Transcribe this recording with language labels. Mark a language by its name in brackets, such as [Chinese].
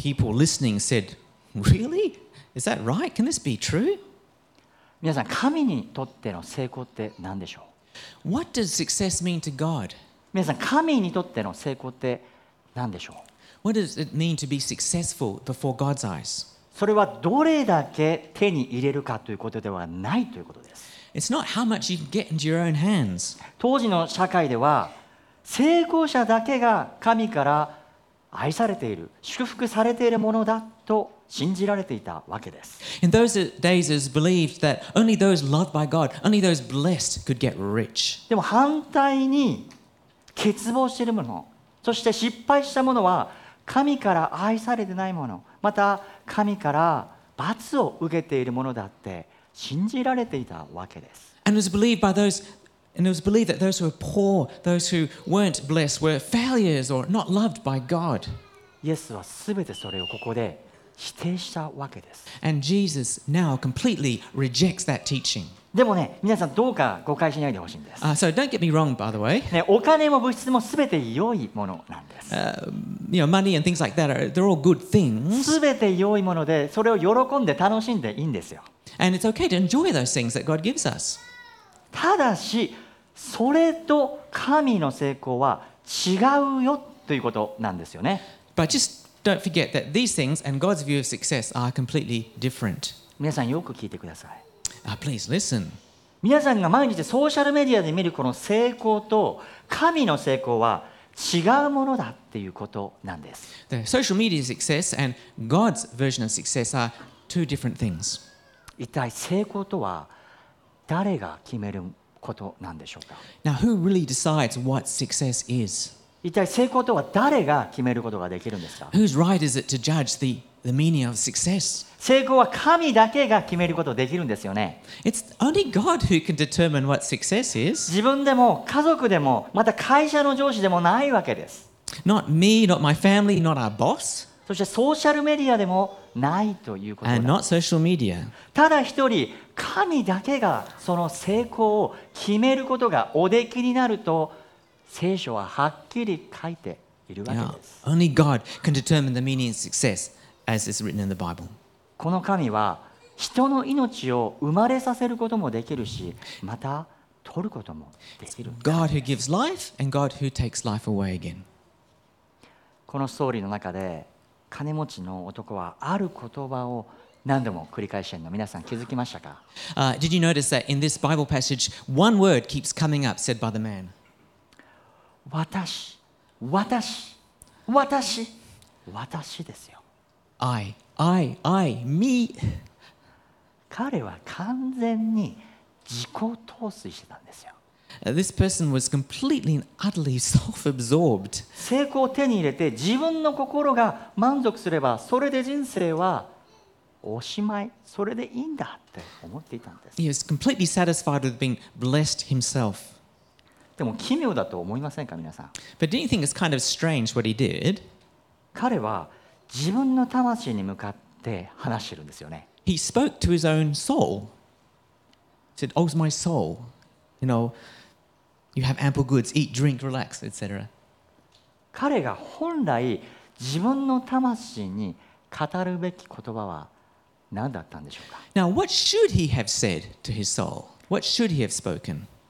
[English] People listening said, Really? Is that right? Can this be true? [Japanese] 皆さん、神にとっての成功って何でしょう? [English] What does success mean to God? [Japanese] 皆さん、神にとっての成功って何でしょう? [English] What does it mean to be successful before God's eyes? [Japanese] それはどれだけ手に入れるかということではないということです。 [English] It's not how much you can get into your own hands. [Japanese] 当時の社会では成功者だけが神から愛されている、祝福されているものだと信じられていたわけです。 [English] In those days, it was believed that only those loved by God, only those blessed could get rich. [Japanese] でも反対に欠乏しているもの、そして失敗したものは神から愛されてないもの、また神から罰を受けているものだって信じられていたわけです。 [English] And it was believed by those, and it was believed that those who were poor, those who weren't blessed, were failures or not loved by God. [Japanese] イエスはすべてそれをここで否定したわけです。 [English] And Jesus now completely rejects that teaching. [Japanese] でもね、皆さんどうか誤解しないでほしいんです。 [English] So don't get me wrong, by the way. [Japanese] ね、お金も物質もすべて良いものなんです。 [English] You know, money and things like that are they're all good things. [Japanese] すべて良いもので、それを喜んで楽しんでいいんですよ。 [English] And it's okay to enjoy those things that God gives us. [Japanese] ただし、それと神の成功は違うよということなんですよね。 [English] But just don't forget that these things and God's view of success are completely different. [Japanese] 皆さんよく聞いてください。 [English] Please listen. [Japanese] 皆さんが毎日ソーシャルメディアで見るこの成功と神の成功は違うものだっていうことなんです。 [English] The social media success and God's version of success are two different things. [Japanese] 一体成功とは誰が決めることなんでしょうか? [English] Now, who really decides what success is? [Japanese] 一体成功とは誰が決めることができるんですか? [English] Whose right is it to judge the meaning of success? [Japanese] 成功は神だけが決めることができるんですよね。 [English] It's only God who can determine what success is. [Japanese] 自分でも家族でもまた会社の上司でもないわけです。 [English] Not me, not my family, not our boss. [Japanese] そしてソーシャルメディアでもないということだ。 [English] And not social media. [Japanese] ただ一人神だけがその成功を決めることがおできになると聖書ははっきり書いているわけです。 [English] Now, only God can determine the meaning of success as is written in the Bible. [Japanese] この神は人の命を生まれさせることもできるし、また取ることもできる。 [English] God who gives life and God who takes life away again. [Japanese] このストーリーの中で金持ちの男はある言葉を何度も繰り返しているの、皆さん気づきましたか? [English] Did you notice that in this Bible passage, one word keeps coming up said by the man? [Japanese] 私、私、私、私ですよ。 [English] I, I, I, me. [Japanese] 彼は完全に自己陶酔してたんですよ。 [English] This person was completely and utterly self-absorbed. [Japanese] 成功を手に入れて自分の心が満足すればそれで人生はおしまい、それでいいんだって思っていたんです。 [English] He was completely satisfied with being blessed himself. [Japanese] でも奇妙だと思いませんか、皆さん。 [English] But didn't you think it's kind of strange what he did? [Japanese] 彼は自分の魂に向かって話してるんですよね。 [English] He spoke to his own soul. He said, Oh, my soul. You know, you have ample goods, eat, drink, relax, etc. [Japanese] 彼が本来自分の魂に語るべき言葉は何だったんでしょうか? [English] Now, what should he have said to his soul? What should he have spoken?